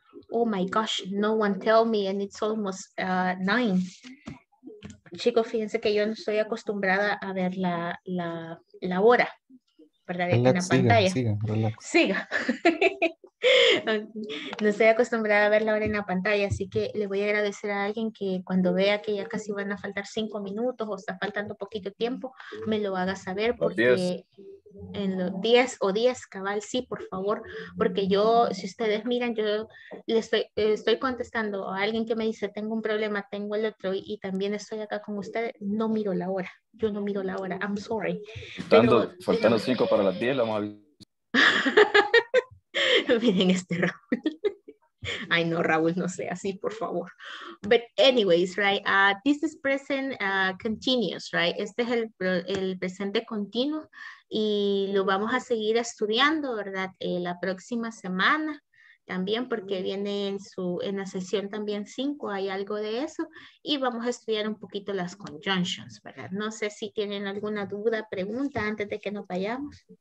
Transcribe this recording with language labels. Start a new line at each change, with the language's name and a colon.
English: Oh my gosh, no one tell me and it's almost 9.
Spanish: Chicos, fíjense que yo no estoy acostumbrada a ver la hora, ¿verdad? Relax, en la pantalla. Siga. No estoy acostumbrada a ver la hora en la pantalla, así que le voy a agradecer a alguien que cuando vea que ya casi van a faltar 5 minutos o está faltando poquito tiempo, me lo haga saber porque... en los 10 o 10 cabal, sí, por favor, porque yo, si ustedes miran, yo le estoy contestando a alguien que me dice, tengo un problema, tengo el otro, y también estoy acá con ustedes, no miro la hora, yo no miro la hora,
English: I'm sorry.
Spanish: Faltando 5 para las 10, vamos a miren este Raúl. Ay, no, Raúl, no sea así, por favor.
English: But anyways, right, this is present continuous, right?
Spanish: Este es el presente continuo y lo vamos a seguir estudiando, ¿verdad? La próxima semana también, porque viene en la sesión también 5, hay algo de eso. Y vamos a estudiar un poquito las conjunctions, ¿verdad? No sé si tienen alguna duda, pregunta, antes de que nos vayamos.